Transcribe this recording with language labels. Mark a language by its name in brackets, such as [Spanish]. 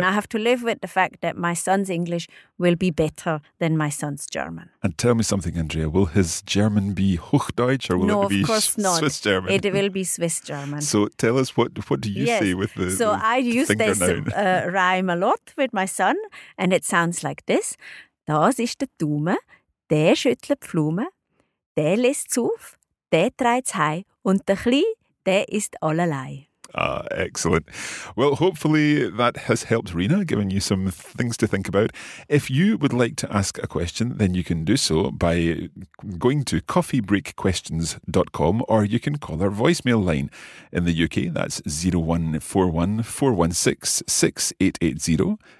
[English] And I have to live with the fact that my son's English will be better than my son's German. And tell me something, Andrea, will his German be Hochdeutsch or will no, it be of course not. Swiss German? It will be Swiss German. So tell us, what do you yes. say with the So the I use this rhyme a lot with my son, and it sounds like this. [Swiss German] Das ist der Dume. Der schüttelt Pflume, der lässt's auf, der treibt's heim und der Klein, der ist allerlei. [English] Ah, excellent. Well, hopefully that has helped Rina, given you some things to think about. If you would like to ask a question, then you can do so by going to coffeebreakquestions.com or you can call our voicemail line. In the UK, that's 0141 416 6880.